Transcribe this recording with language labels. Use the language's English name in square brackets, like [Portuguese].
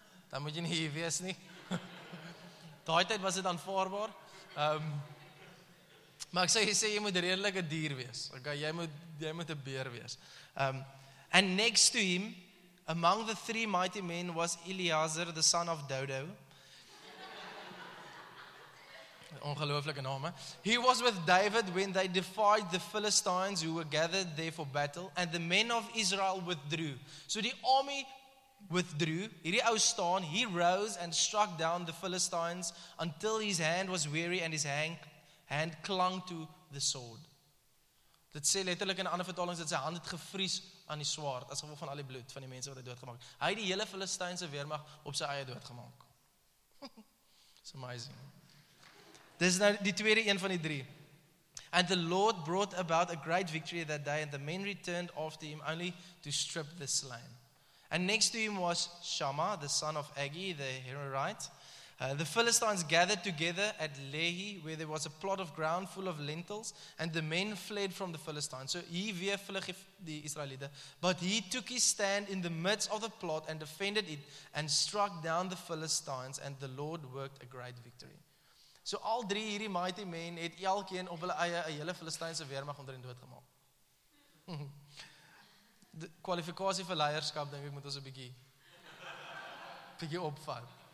[Afrikaans] Dan moet jy nie hier wees nie. Daai tyd was dit aanvaarbaar. Maar ek sê jy moet redelik 'n dier wees. Okay, jy moet 'n beer wees. [English] And next to him, among the three mighty men, was Eleazar, the son of Dodo. [Afrikaans] Ongelooflike name. [English] He was with David when they defied the Philistines who were gathered there for battle, and the men of Israel withdrew. [Afrikaans] So die [English] army withdrew, [Afrikaans] hierdie ou staan, [English] he rose and struck down the Philistines until his hand was weary and his hand clung to the sword. [Afrikaans] Dit sê letterlik in ander vertalings dat sy hand het gevries aan die swaard, as gevolg van al die bloed van die mense wat hy doodgemaak. Hy het die hele Filistynse weermag op sy eie doodgemaak. [English] It's amazing. [Afrikaans] Dis nou die tweede een van die 3. [English] And the Lord brought about a great victory that day, and the men returned after him only to strip the slain. And next to him was Shammah, the son of Agi, the Hararite. The Philistines gathered together at Lehi, where there was a plot of ground full of lentils, and the men fled from the Philistines. [Afrikaans] So he weer vlug die Israeliete. [English] But he took his stand in the midst of the plot and defended it and struck down the Philistines, and the Lord worked a great victory. [Afrikaans] So al 3 hierdie mighty men het elkeen op hulle eie 'n hele Filistynse weermag onder in dood gemaak. Die kwalifikasie vir leierskap dink ek moet ons 'n bietjie opvat.